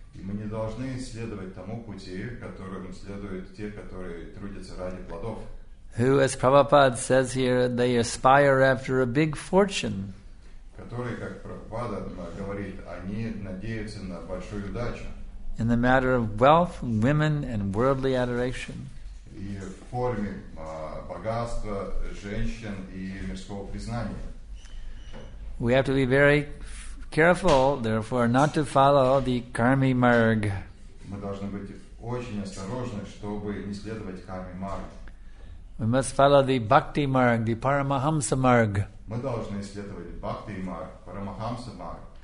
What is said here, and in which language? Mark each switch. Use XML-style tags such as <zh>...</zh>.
<en>Who, as Prabhupada says here, they aspire after a big fortune.</en> <ru>Которые, как Прабхупада говорит, они надеются на большую удачу.</ru> <en>In the matter of wealth, women, and worldly adoration.</en> <ru>И в форме богатства, женщин и мирского признания.</ru> <en>We have to be very careful, therefore, not to follow the карми марг.</en> <ru>Мы должны быть очень осторожны, чтобы не следовать карми марг.</ru> <en>We must follow the bhakti marg, the paramahamsa marg.</en> <ru>Мы должны исследовать бхакти марг, парамахамса марг.</ru>